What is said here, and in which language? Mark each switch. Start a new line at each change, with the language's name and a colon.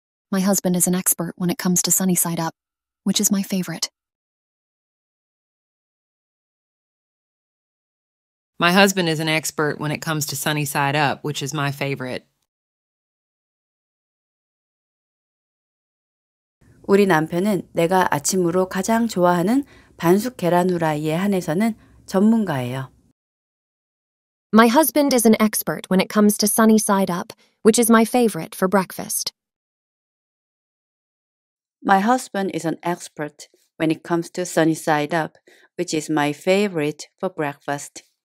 English: My husband is an expert when it comes to sunny side up, which is my favorite. My husband is an expert when it comes to sunny side up, which is my favorite.
Korean: 우리 남편은 내가 아침으로 가장 좋아하는 반숙 계란 후라이에 한해서는 전문가예요.
English: My husband is an expert when it comes to sunny side up, which is my favorite for breakfast. My husband is an expert when it comes to sunny side up, which is my favorite for breakfast.